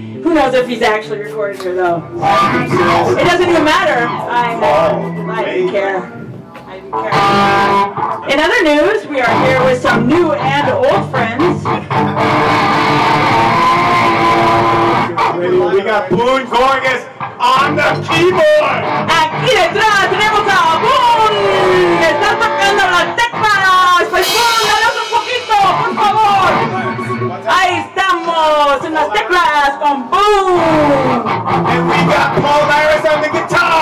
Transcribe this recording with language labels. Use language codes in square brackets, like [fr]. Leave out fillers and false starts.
[en] Who knows if he's actually recorded here, though? It doesn't even matter. I didn't care. In other news, we are here with some new and old friends. We got Boone Gorgas on the keyboard! [es] Aquí detrás tenemos a Boone! Está tocando las teclas! Pues Boone, hablamos un poquito, por favor! Ahí estamos, en las teclas con Boone! [en] And we got Paul Myers on the guitar!